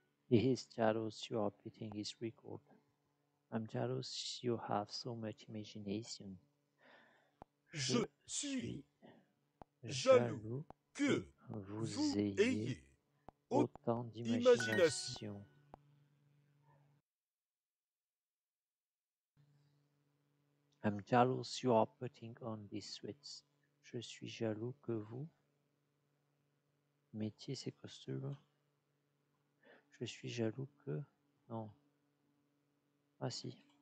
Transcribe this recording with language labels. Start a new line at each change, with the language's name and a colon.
English: He is jealous you are beating his record. I'm jealous you have so much imagination.
French: Je suis jaloux que vous ayez autant d'imagination.
English: I'm jealous you are putting on these sweats.
French: Je suis jaloux que vous mettiez ces costumes. Je suis jaloux que... Non. Ah si.